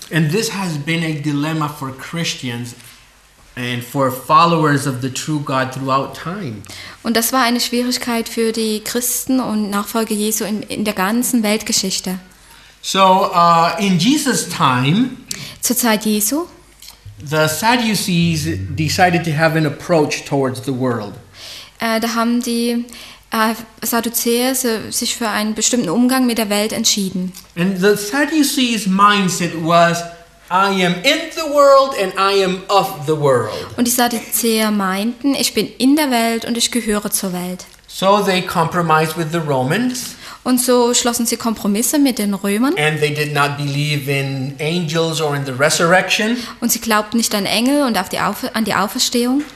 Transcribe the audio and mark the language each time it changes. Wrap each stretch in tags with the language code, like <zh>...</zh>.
<en>And this has been a dilemma for Christians and for followers of the true God throughout time.</en> <de>Und das war eine Schwierigkeit für die Christen und Nachfolger Jesu in der ganzen Weltgeschichte.</de> <en>So in Jesus' time,</en> <de>zur Zeit Jesu,</de> <en>the Sadducees decided to have an approach towards the world.</en> <de>Da haben die Sadduzäer sich für einen bestimmten Umgang mit der Welt entschieden.</de> <en>And the Sadducees' mindset was, I am in the world and I am of the world.</en> <de>Und die Sadduzäer meinten, ich bin in der Welt und ich gehöre zur Welt.</de> <en>So they compromised with the Romans.</en> <de>Und so schlossen sie Kompromisse mit den Römern.</de> <en>And they did not believe in angels or in the resurrection.</en> <de>Und sie glaubten nicht an Engel und an die Auferstehung.</de>